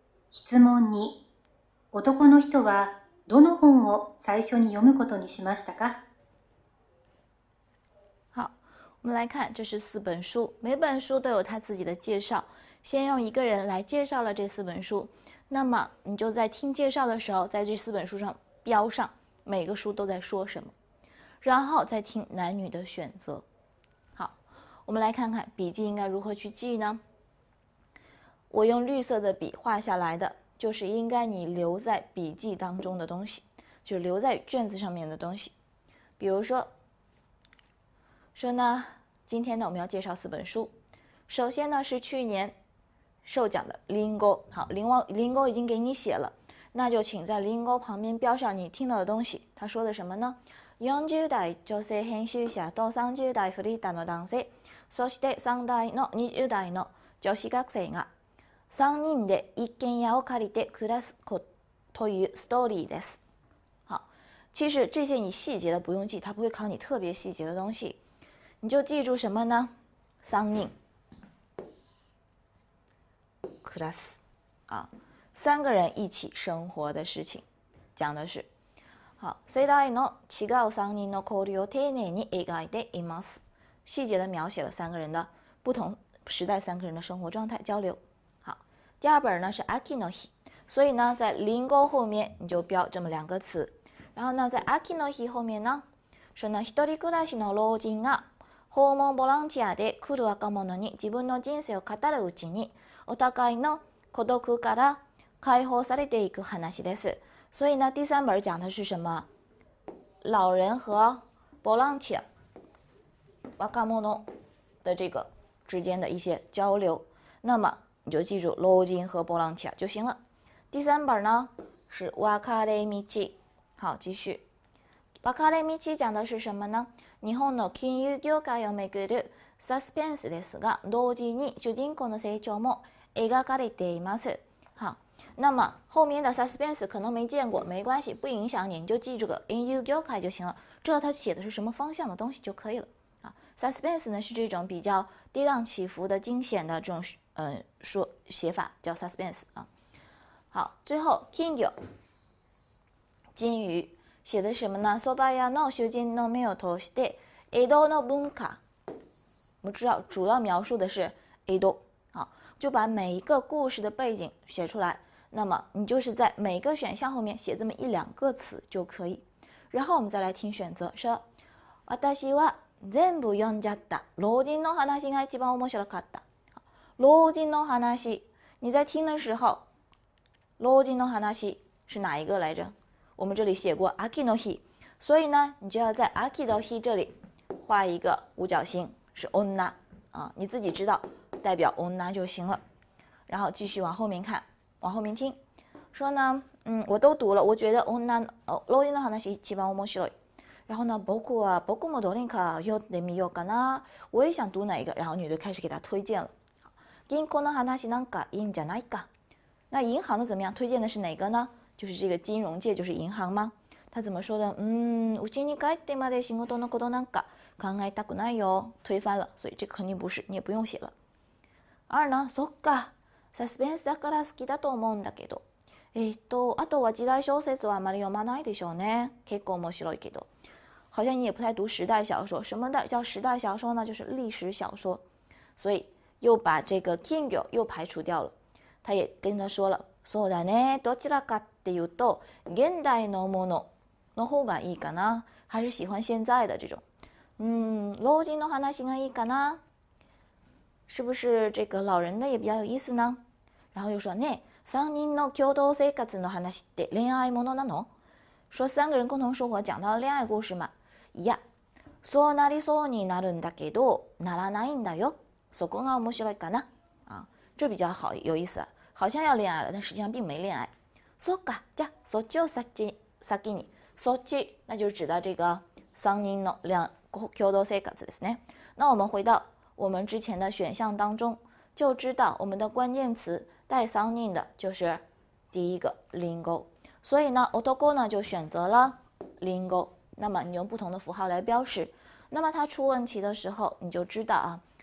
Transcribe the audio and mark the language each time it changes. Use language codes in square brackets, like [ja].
[ja] 質問2。男の人はどの本を最初に読むことにしましたか？ [zh] 我们来看，这是四本书，每本书都有他自己的介绍。先用一个人来介绍了这四本书，那么你就在听介绍的时候，在这四本书上标上每个书都在说什么，然后再听男女的选择。好，我们来看看笔记应该如何去记呢？我用绿色的笔画下来的，就是应该你留在笔记当中的东西，就留在卷子上面的东西。比如说。说呢，今天呢，我们要介绍四本书。首先呢，是去年授奖的《Lingo》。好，《Lingo》已经给你写了，那就请在《Lingo》旁边标上你听到的东西。他说的什么呢？ [ja] 40代女性編集者と30代フリーターの男性、そして3代の20代の女子学生が3人で一軒家を借りて暮らすというストーリーです。 [zh] 好，其实这些你细节的不用记，他不会考你特别细节的东西。你就记住什么呢？三人 ，class， 啊，三个人一起生活的事情，讲的是。 [ja] 好，世代の違う三人の交流を丁寧に描いています。 [zh] 细节的描写了三个人的不同时代三个人的生活状态交流。好，第二本呢是秋の日，所以呢在林沟后面你就标这么两个词，然后呢在秋の日后面呢说呢 [ja] 一人暮らしの老人が訪問ボランティアで来る若者に自分の人生を語るうちにお互いの孤独から解放されていく話です。 [zh] 所以呢，第三本讲的是什么？老人和ボランティア、若者的这个之间的一些交流。那么你就记住老人和ボランティア就行了。第三本呢是別れ道。好，继续。別れ道讲的是什么呢？ [ja] 日本の金融業界をめぐるサスペンスですが、同時に主人公の成長も描かれています。 [zh] 好，那么后面的 suspense 可能没见过，没关系，不影响你，你就记住个 in you 業界就行了，知道它写的是什么方向的东西就可以了。 suspense 呢是这种比较跌宕起伏的惊险的这种说写法叫 suspense 啊。好，最后 king 有金鱼。写的什么呢？ [ja] 蕎麦屋の主人の目を通して江戸の文化。 [zh] 我们知道主要描述的是江戸，好，就把每一个故事的背景写出来。那么你就是在每个选项后面写这么一两个词就可以。然后我们再来听选择，说 [ja] 私は全部読んじゃった。老人の話が一番面白かった。 [zh] 老人の話，你在听的时候，老人の話是哪一个来着？我们这里写过秋の日，所以呢，你就要在秋の日这里画一个五角星，是女啊，你自己知道代表女就行了。然后继续往后面看，往后面听，说呢，我都读了，我觉得女 [ja] 老人の話一番面白い。 [zh] 然后呢， [ja] 僕もどれか読んでみようかな， [zh] 我也想读哪一个。然后女的开始给他推荐了。 [ja] 銀行の話なんかいいんじゃないか。 [zh] 那银行的怎么样？推荐的是哪个呢？就是这个金融界，就是银行吗？他怎么说的？ [ja] うちに帰ってまで仕事のことなんか考えたくないよ。 [zh] 推翻了，所以这肯定不是，你也不用写了。二呢？ [ja] そっか。サスペンスだから好きだと思うんだけど。あとは時代小説はあまり読まないでしょうね。結構面白いけど。 [zh] 好像你也不太读时代小说。什么的叫时代小说呢？就是历史小说。所以又把这个 King 又排除掉了，他也跟他说了， [ja] そうだね、どちらかっていうと現代のものの方がいいかな， [zh] 还是喜欢现在的这种。 [ja] 老人の話がいいかな， [zh] 是不是这个老人的也比较有意思呢？然后又说 [ja] ね、三人の共同生活の話って恋愛ものなの？ [zh] 说三个人共同生活讲到恋爱故事嘛？ [ja] いや、そうなりそうになるんだけど、ならないんだよ。そこが面白いかな， [zh] 啊，这比较好，有意思，好像要恋爱了，但实际上并没恋爱。 [ja] そっか、じゃ、そっちを先に、そっち， [zh] 那就是指的这个 [ja] 三人の共同生活ですね。 [zh] 那我们回到我们之前的选项当中，就知道我们的关键词带三人的就是第一个リンゴ，所以呢，男呢就选择了リンゴ。那么你用不同的符号来标识，那么它出问题的时候，你就知道啊。